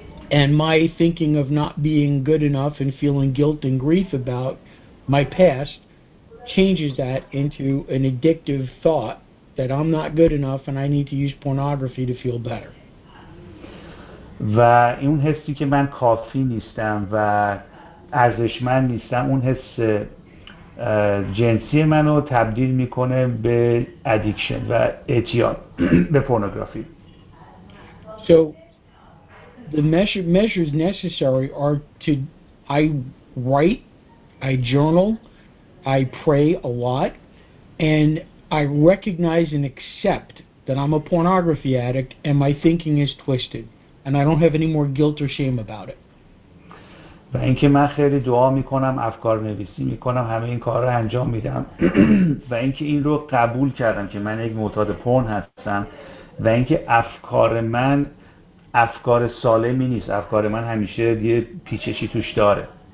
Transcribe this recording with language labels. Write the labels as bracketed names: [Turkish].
[English] And my thinking of not being good enough and feeling guilt and grief about my past changes that into an addictive thought that I'm not good enough and I need to use pornography to feel better. [Persian] و اون حسی که من کافی نیستم و ارزشمند نیستم، اون حس جنسی منو تبدیل میکنه به ادیکشن و اعتیاد به پورنوگرافی. [English] So the measures necessary are to I write, I journal, I pray a lot, and I recognize and accept that I'm a pornography addict and my thinking is twisted and I don't have any more guilt or shame about it. [Persian] و اینکه من خیلی دعا میکنم، افکار نویسی میکنم، همه این کار رو انجام میدم و اینکه این رو قبول کردم که من یک معتاد پرن هستم و اینکه افکار من افکار سالمی نیست، افکار من همیشه یه پیچشی توش داره.